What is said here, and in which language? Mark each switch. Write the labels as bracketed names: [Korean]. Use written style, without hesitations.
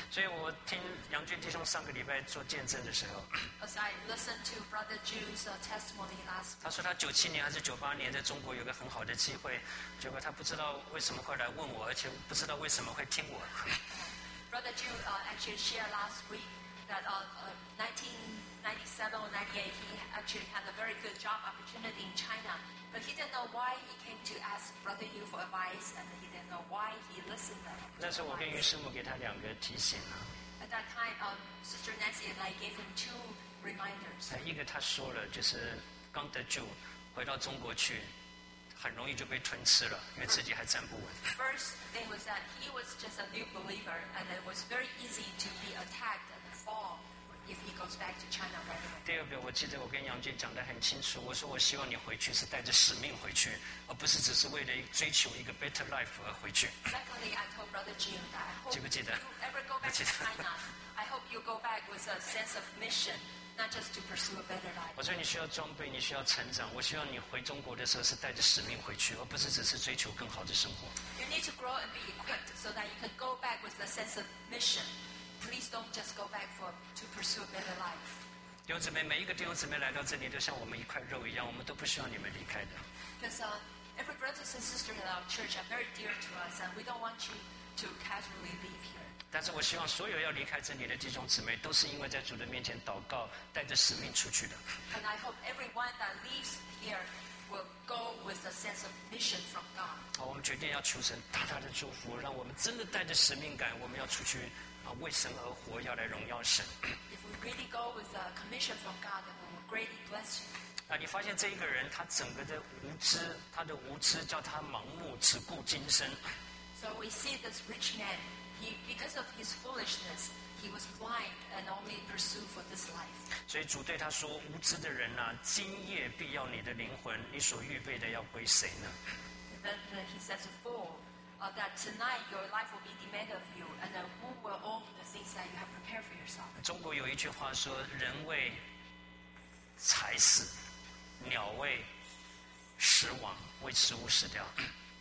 [Chinese] 所以我听杨俊弟兄上个礼拜做见证的时候 [English] As I listened to Brother Jude's testimony last week [Chinese] 他说他97年还是98年在中国有个很好的机会结果他不知道为什么会来问我而且不知道为什么会听我 [English] Brother Jude actually shared last week that 1997 or 98 he actually had a very good job opportunity in China but he didn't know why he came to ask Brother Yu for advice and he didn't know why he listened to him [Chinese] 那时候我跟于师母给他两个提醒啊 [English] at that time Sister Nancy and I gave him two reminders [Chinese] 一个他说了就是刚得救回到中国去很容易就被吞吃了因为自己还站不稳 [English] first thing was that he was just a new believer and it was very easy to be attacked and fall if he goes back to China right away [Chinese] 第二个我记得我跟杨俊讲得很清楚我说我希望你回去是带着使命回去而不是只是为了追求一个 [English] better life [Chinese] 而回去 [English] secondly I told Brother Jim that [Chinese] 记不记得 [English] you ever go back to China I hope you go back with a sense of missionNot just to pursue a better life. [Chinese] 我说你需要装备，你需要成长。我希望你回中国的时候是带着使命回去，而不是只是追求更好的生活。 [English] You need to grow and be equipped so that you can go back with a sense of mission. Please don't just go back to pursue a better life. [Chinese] 弟兄姊妹，每一个弟兄姊妹来到这里都像我们一块肉一样，我们都不希望你们离开的。 [English] Because every brothers and sisters in our church are very dear to us, and we don't want you to casually leave here. [Chinese] 但是我希望所有要离开这里的弟兄姊妹都是因为在主的面前祷告带着使命出去的 [English] and I hope everyone that leaves here will go with a sense of mission from God [Chinese] 好我们决定要求神大大的祝福让我们真的带着使命感我们要出去为神而活要来荣耀神 [English] if we really go with a commission from God then we will greatly bless you [Chinese] 你发现这一个人他整个的无知他的无知叫他盲目只顾今生 [English] so we see this rich manBecause of his foolishness, he was blind and only pursued for this life. [Chinese] 所以主对他说：“无知的人啊，今夜必要你的灵魂，你所预备的要归谁呢？” [English] Then he says, "Fool, that tonight your life will be demanded of you, and who will own the things that you have prepared for yourself?" [Chinese] 中国有一句话说：“人为财死，鸟为食亡，为食物死掉。”